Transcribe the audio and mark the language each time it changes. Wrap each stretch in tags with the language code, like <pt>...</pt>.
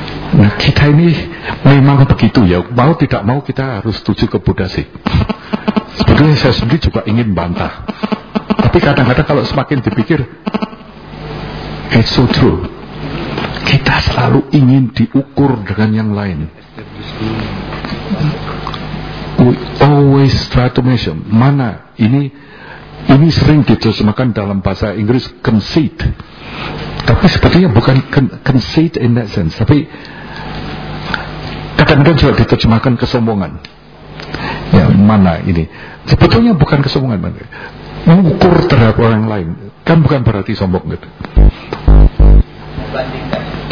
<id>Nah kita ini memang begitu ya. Mau tidak mau kita harus setuju ke Buddha sih. Sebenarnya saya sendiri juga ingin bantah. Tapi kadang-kadang kalau semakin dipikir,</id> <en>it's so true.</en> <id>Kita selalu ingin diukur dengan yang lain.</id> <en>We always try to measure.</en> <id>Mana ini. Ini sering diterjemahkan dalam bahasa Inggris conceit. Tapi sepertinya bukan conceit</id> <en>in that sense.</en> <id>Tapi kadang-kadang juga diterjemahkan kesombongan. Ya, mana ini. Sebetulnya bukan kesombongan. Mengukur terhadap orang lain. Kan bukan berarti sombong gitu. Membandingkan.</id>